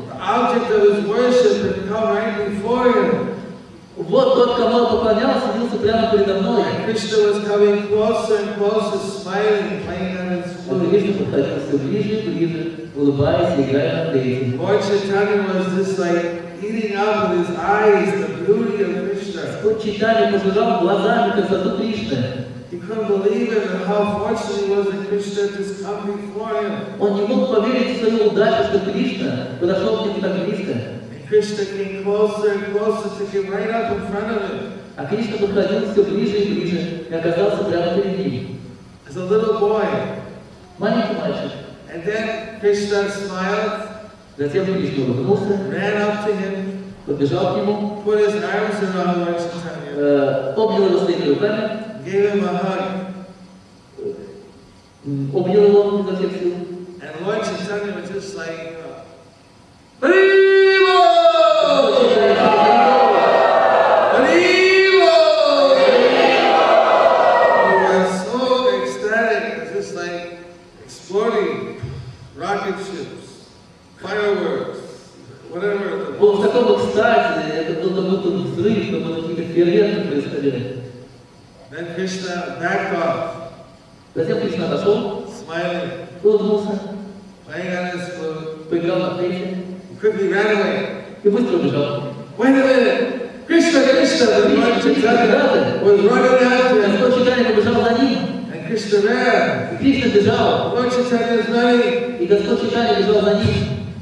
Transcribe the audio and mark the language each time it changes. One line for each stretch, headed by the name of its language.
English: The object of his worship had come right before him.
Russian: Вот тот, кому он поклонялся, явился прямо передо мной.
English: Krishna was coming closer and closer, smiling, playing on his flute.
Russian: Krishna подходил все ближе, ближе, улыбаясь, играя на флейте.
English: Lord Chaitanya was just like eating up with his eyes the beauty of Krishna.
Russian: Господь Чайтанья пожирал глазами красоту Кришны.
English: He couldn't believe it, how fortunate he was that Krishna just come before him.
Russian: Он не мог поверить в свою удачу, что Кришна подошел к нему так близко.
English: Krishna came closer and closer to him, right up in front of him.
Russian: А Кришна подходил все ближе и ближе и оказался прямо перед ним.
English: As a little boy.
Russian: Маленький мальчик.
English: And then Krishna smiled.
Russian: Затем Кришна улыбнулся.
English: Ran up to him.
Russian: Подбежал к нему.
English: Put his arms around Lord Chaitanya.
Russian: Обнял его своими руками.
English: Gave him a hug.
Russian: Обнял его изо всех сил.
English: And Lord Chaitanya was just like, then Krishna backed off.
Russian: Затем Кришна отошел.
English: Smiling.
Russian: Улыбнулся.
English: Playing on his flute.
Russian: Поиграл на флейте.
English: Quickly ran away.
Russian: И быстро убежал.
English: Wait a minute. Krishna, Krishna, the Lord Chaitanya was running after him.
Russian: Господь Чайтанья побежал за ним.
English: And Krishna ran.
Russian: И Кришна бежал.
English: Lord Chaitanya is running.
Russian: И Господь Чайтанья бежал за ним.